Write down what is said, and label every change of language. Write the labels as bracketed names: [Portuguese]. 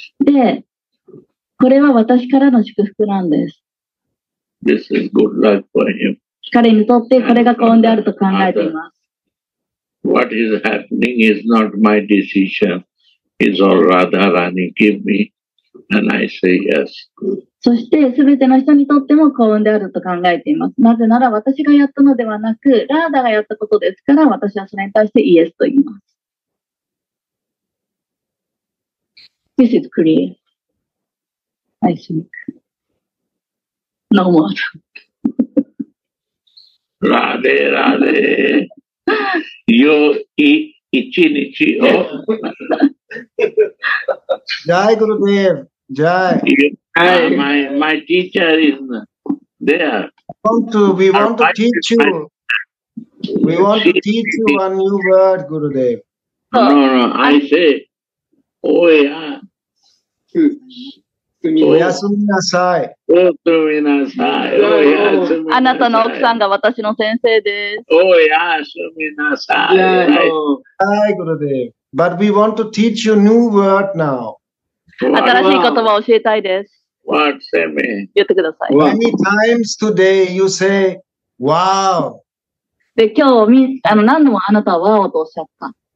[Japanese] で、これは私からの祝福なんです。 [English] This is good luck for him. [Japanese] 彼にとってこれが幸運であると考えています。 [English] What is happening is not my decision. It's all Radha Rani give me, and I say yes. [Japanese] そしてすべての人にとっても幸運であると考えています。なぜなら私がやったのではなく、ラーダがやったことですから、私はそれに対してイエスと言います。 [English] This is clear. I think. No more. [Japanese] Radhe, Radhe. よい、一日を。ジャイ、グルデーブ。ジャイ。 [English] はい、my teacher is there. We want to teach you. We want to teach you a new word, グルデーブ。 No, no, I say, [Japanese] おや。おやすみなさい。おやすみなさい。おやすみなさい。あなたの奥さんが私の先生です。おやすみなさい。はい、グルデーブ。 [English] But we want to teach you a new word now. [Japanese] 新しい言葉を教えたいです。 [English] What, Sammy? [Japanese] 言ってください。 [English] Many times today you say, wow. [Japanese] で、今日、何度もあなたは wow とおっしゃった。